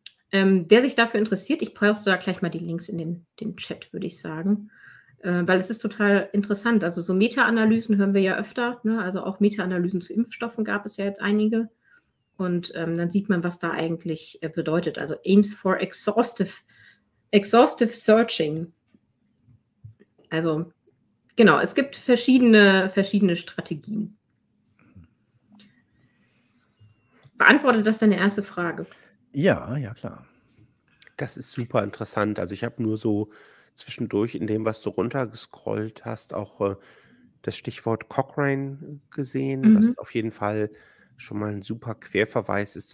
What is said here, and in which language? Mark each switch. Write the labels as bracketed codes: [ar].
[de] Wer sich dafür interessiert, ich poste da gleich mal die Links in den Chat, würde ich sagen, weil es ist total interessant. Also so Meta-Analysen hören wir ja öfter, ne? Also auch Meta-Analysen zu Impfstoffen gab es ja jetzt einige. Und dann sieht man, was da eigentlich bedeutet. Also [en] aims for exhaustive searching. [de] Also genau, es gibt verschiedene Strategien. Beantwortet das deine erste Frage? Ja, klar. Das ist super interessant. Also ich habe nur so zwischendurch in dem, was du runtergescrollt hast, auch das Stichwort Cochrane gesehen, was auf jeden Fall schon mal ein super Querverweis ist.